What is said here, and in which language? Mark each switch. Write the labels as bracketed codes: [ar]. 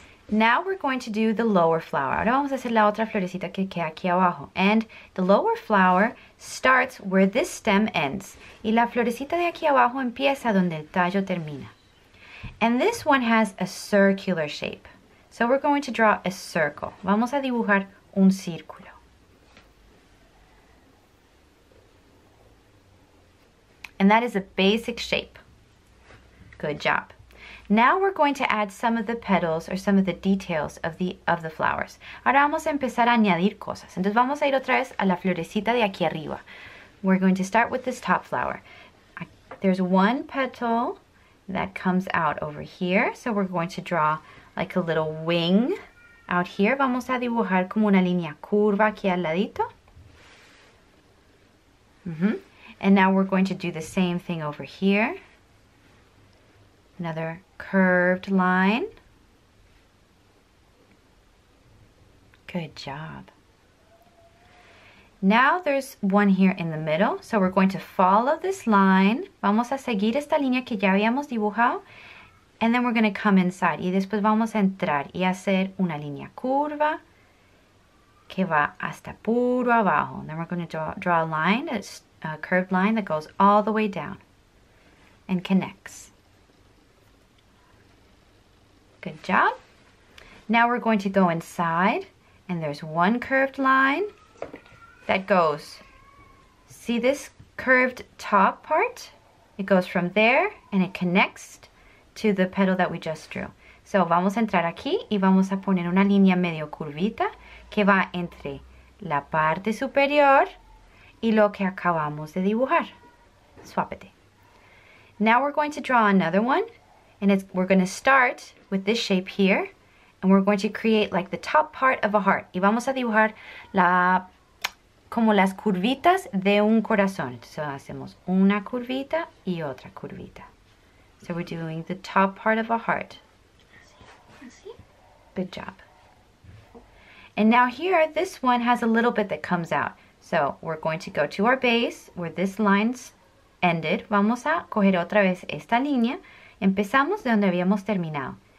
[en] Now we're going to do the lower flower. [es] Ahora vamos a hacer la otra florecita que queda aquí abajo. [en] And the lower flower starts where this stem ends. [es] Y la florecita de aquí abajo empieza donde el tallo termina. [en] And this one has a circular shape. So we're going to draw a circle. [es] Vamos a dibujar un círculo. [en] And that is a basic shape. Good job. Now we're going to add some of the petals or some of the details of the flowers. [es] Ahora vamos a empezar a añadir cosas. Entonces vamos a ir otra vez a la florecita de aquí arriba. [en] We're going to start with this top flower. There's one petal that comes out over here. So we're going to draw like a little wing out here. [es] Vamos a dibujar como una línea curva aquí al ladito. [en] And now we're going to do the same thing over here. Another curved line. Good job. Now there's one here in the middle, so we're going to follow this line. [es] Vamos a seguir esta línea que ya habíamos dibujado. [en] And then we're going to come inside. [es] Y después vamos a entrar y hacer una línea curva que va hasta puro abajo. [en] And then we're going to draw a line, a curved line that goes all the way down and connects. Good job. Now we're going to go inside, and there's one curved line that goes, see this curved top part? It goes from there and it connects to the petal that we just drew. [es] So vamos a entrar aquí y vamos a poner una línea medio curvita que va entre la parte superior y lo que acabamos de dibujar. Suápete. [en] Now we're going to draw another one, and we're going to start with this shape here, and we're going to create like the top part of a heart. [es] Y vamos a dibujar como las curvitas de un corazón. So hacemos una curvita y otra curvita. [en] So we're doing the top part of a heart. Good job. And now here, this one has a little bit that comes out. So we're going to go to our base where this line's ended. [es] Vamos a coger otra vez esta línea. Empezamos de donde habíamos terminado.